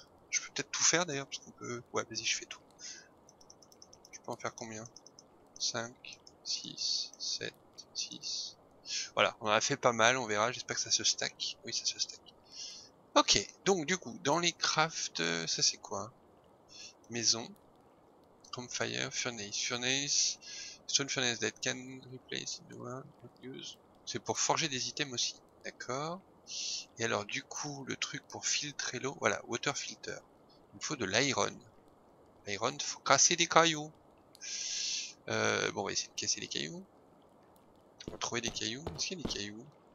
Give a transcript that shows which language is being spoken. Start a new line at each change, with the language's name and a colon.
French: Je peux peut-être tout faire d'ailleurs, parce qu'on peut. Ouais, vas-y, je fais tout. Je peux en faire combien? 5, 6, 7, 6. Voilà, on en a fait pas mal, on verra, j'espère que ça se stack. Oui, ça se stack. Ok, donc du coup, dans les crafts, ça c'est quoi?
English: Maison, campfire, furnace, furnace, stone furnace that can replace the one, use.
French: C'est pour forger des items aussi, d'accord. Et alors du coup, le truc pour filtrer l'eau, voilà, water filter. Il faut de l'iron. L'iron, faut casser des cailloux. Bon, on va essayer de casser les cailloux. On va trouver des cailloux. Est-ce qu'il y a des cailloux?